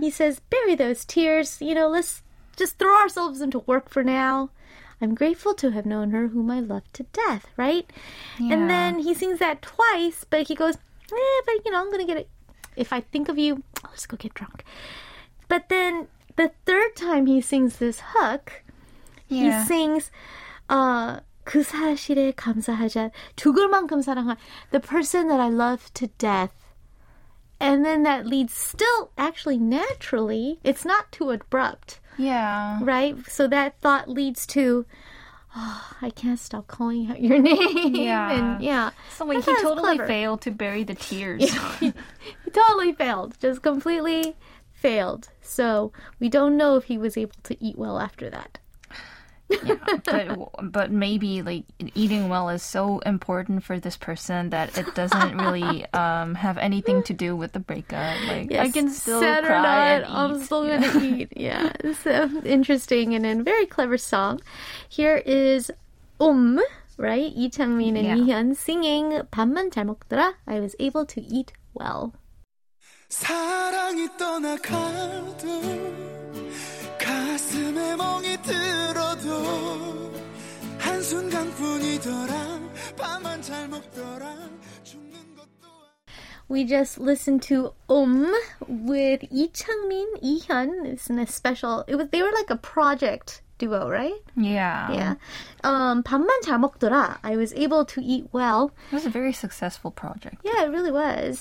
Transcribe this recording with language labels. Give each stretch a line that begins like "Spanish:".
English: He says, bury those tears. You know, let's just throw ourselves into work for now. I'm grateful to have known her whom I love to death, right? Yeah. And then he sings that twice, but he goes, but, you know, I'm going to get it. If I think of you, I'll just go get drunk. But then the third time he sings this hook, yeah. he sings,
Korean: 그 사실에 감사하자. 죽을 만큼 사랑한.
English: The person that I love to death. And then that leads still, actually, naturally, it's not too abrupt. Yeah. Right? So that thought leads to, oh, I can't stop calling out your name. Yeah. And yeah. So like, he totally failed to bury the tears. He totally failed. Just completely failed. So we don't know if he was able to eat well after that. but maybe like eating well is so important for this person that it doesn't really have anything to do with the breakup. Like, yes, I can still sad cry or not, and eat. I'm still going to eat. Yeah, so interesting and a very clever song. Here is right? Lee Changmin and Lee Hyun singing
Korean: 밥만 잘 먹더라,
English: I was able to eat well.
Korean: 사랑이 떠나가도 가슴에 멍이 들어도 한순간뿐이더라 밥만 잘 먹더라 죽는 것도
English: We just listened to with Lee Changmin, Lee Hyun. It's in a special... they were like a project duo, right? Yeah. Yeah.
Korean: 밥만 잘 먹더라.
English: I was able to eat well. It was a very successful project. Yeah, it really was.